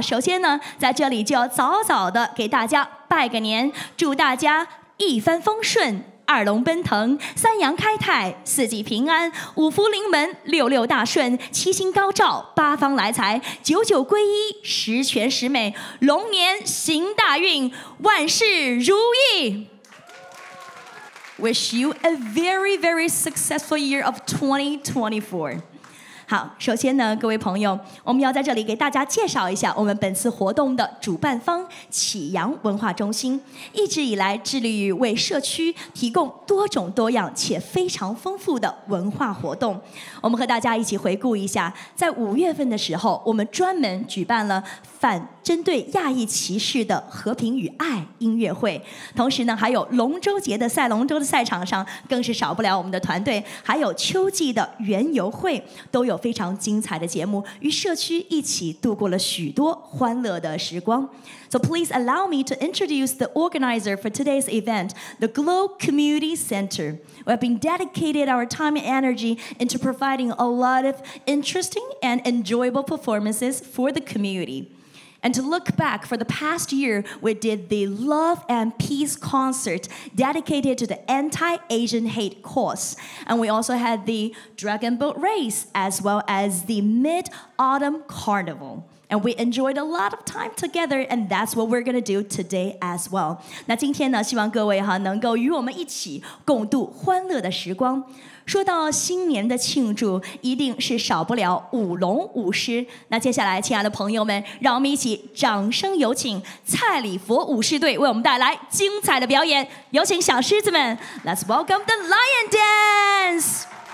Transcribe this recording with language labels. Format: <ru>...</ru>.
<zh>首先呢，在这里就要早早的给大家拜个年，祝大家一帆风顺。二龙奔腾，三阳开泰，四季平安，五福临门，六六大顺，七星高照，八方来财，九九归一，十全十美，龙年行大运，万事如意。</zh> <en>Wish you a very, very successful year of 2024.</en> <zh>好，首先呢，各位朋友，我们要在这里给大家介绍一下我们本次活动的主办方启阳文化中心。一直以来致力于为社区提供多种多样且非常丰富的文化活动。我们和大家一起回顾一下，在五月份的时候，我们专门举办了反针对亚裔歧视的和平与爱音乐会，同时呢，还有龙舟节的赛龙舟的赛场上，更是少不了我们的团队，还有秋季的园游会，都有非常精彩的节目，与社区一起度过了许多欢乐的时光。</zh> <en>So please allow me to introduce the organizer for today's event, the Glow Community Center. We have been dedicated our time and energy into providing a lot of interesting and enjoyable performances for the community. And to look back for the past year, we did the Love and Peace concert dedicated to the anti-Asian hate cause. And we also had the Dragon Boat Race as well as the Mid-Autumn Carnival. And we enjoyed a lot of time together, and that's what we're going to do today as well.</en> <zh>那今天呢，希望各位哈能够与我们一起共度欢乐的时光。说到新年的庆祝，一定是少不了舞龙舞狮。那接下来，亲爱的朋友们，让我们一起掌声有请蔡礼佛舞狮队为我们带来精彩的表演。有请小狮子们</zh> <en>，Let's welcome the Lion Dance。</en>